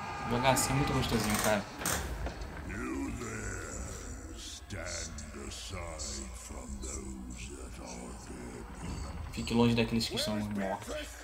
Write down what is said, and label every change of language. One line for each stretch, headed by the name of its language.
Portuguese: Jogar assim é muito gostosinho, cara.
English: You there, stand aside from those that are dead.
Portuguese: Fique longe daqueles que são mortos.